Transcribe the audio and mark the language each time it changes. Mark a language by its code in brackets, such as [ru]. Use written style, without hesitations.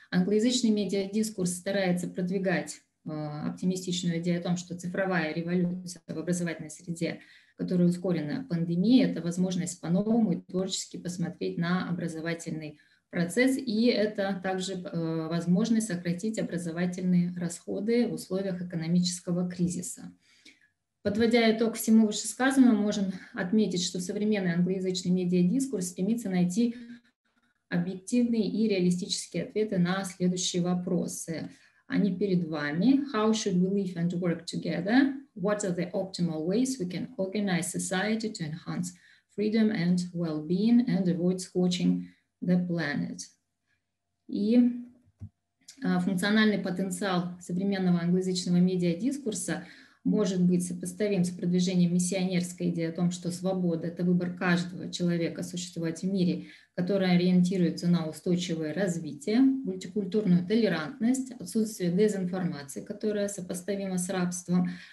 [ru] Англоязычный медиадискурс старается продвигать оптимистичную идею о том, что цифровая революция в образовательной среде, которая ускорена пандемией, это возможность по-новому и творчески посмотреть на образовательный процесс, и это также возможность сократить образовательные расходы в условиях экономического кризиса. Подводя итог всему вышесказанному, можем отметить, что современный англоязычный медиадискурс стремится найти объективные и реалистические ответы на следующие вопросы. Они перед вами. [en] How should we live and work together? What are the optimal ways we can organize society to enhance freedom and well-being and avoid scorching the planet? [ru] И функциональный потенциал современного англоязычного медиадискурса может быть сопоставим с продвижением миссионерской идеи о том, что свобода – это выбор каждого человека существовать в мире, который ориентируется на устойчивое развитие, мультикультурную толерантность, отсутствие дезинформации, которая сопоставима с рабством,